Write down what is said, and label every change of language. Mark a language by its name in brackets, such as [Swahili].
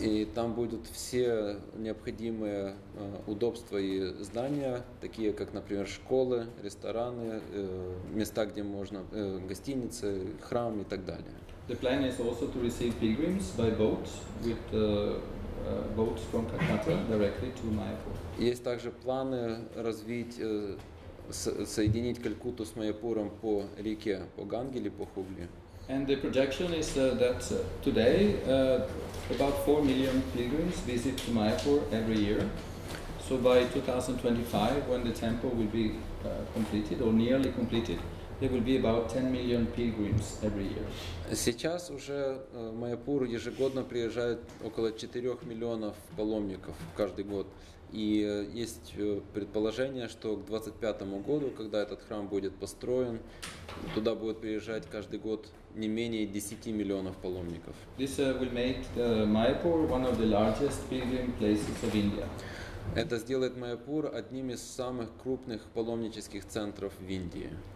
[Russian] И там будут все необходимые удобства и здания, такие как, например, школы, рестораны, места, где можно, гостиницы, храм и так далее. [English] The plan is also to receive pilgrims by boat with boats from Calcutta directly to Mayapur. [Russian] Есть также планы развить, соединить Калькутту с Майяпуром по реке, по Ганге или по Хугли. [English] And the projection is that today about 4 million pilgrims visit Mayapur every year. So by 2025, when the temple will be completed or nearly completed, there will be about 10 million pilgrims every year. [Russian] Сейчас уже в Майяпур ежегодно приезжает около 4 миллионов паломников каждый год. И есть предположение, что к 2025 году, когда этот храм будет построен, туда будет приезжать каждый год не менее 10 миллионов паломников. [English] This will make Mayapur one of the largest pilgrim places of India. [Russian] Это сделает Майяпур одним из самых крупных паломнических центров в Индии.